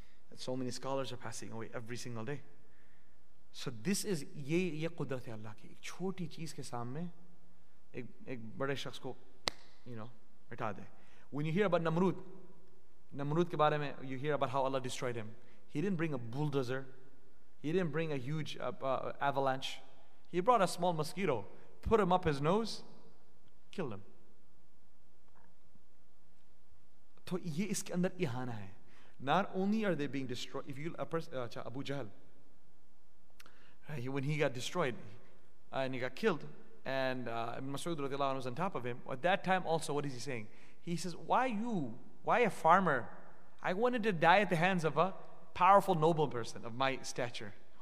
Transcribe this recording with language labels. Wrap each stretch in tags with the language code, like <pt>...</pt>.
<en>And so many scholars are passing away every single day. So this is</en> <ur>ye qudrat Allah ki. Ek choti cheez ke saamne ek bade shakhs ko,</ur> <en>you know,</en> <ur>mita de.</ur> <en>When you hear about Namrud</en> <ur>ke baare mein,</ur> <en>you hear about how Allah destroyed him. He didn't bring a bulldozer. He didn't bring a huge avalanche. He brought a small mosquito, put him up his nose, killed him.</en> <ur>تو یہ اسکے اندر اہانہ ہے۔</ur> <en>Not only are they being destroyed, if you Abu Jahl, when he got destroyed and he got killed, and Mas'ud radiallahu anhu was on top of him, at that time also, what is he saying? He says, why a farmer? I wanted to die at the hands of a powerful noble person of my stature.</en>